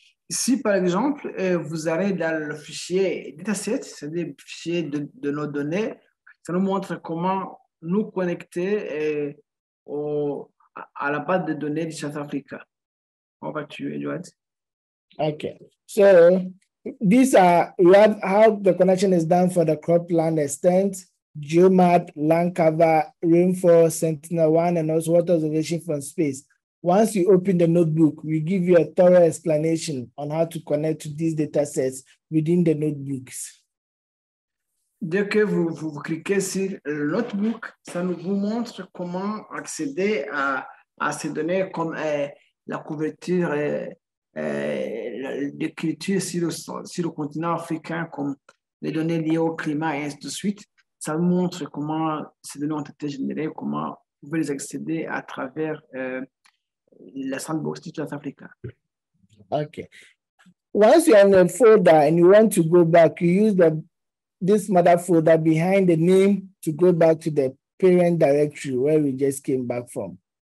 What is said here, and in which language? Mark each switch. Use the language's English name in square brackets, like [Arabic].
[French] Si, par exemple, vous allez dans le fichier dataset, c'est-à-dire le fichier de nos données, ça nous montre comment nous connecter à la base de données de South Africa. [English] Over to you, Edward. Okay. So, these are how the connection is done for the cropland extent, geomat, land cover, rainfall, Sentinel-1, and also water observation from space. Once you open the notebook, we give you a thorough explanation on how to connect to these data sets within the notebooks. [French] Dès que vous cliquez sur le notebook, ça vous montre comment accéder à ces données comme la couverture de culture sur le continent africain, comme les données liées au climat et ainsi de suite. Ça vous montre comment ces données ont été générées, comment vous pouvez les accéder à travers la sandbox de South Africa. Okay. [English] Once you're in the folder and you want to go back, you use this mother folder behind the name to go back to the parent directory where we just came back from.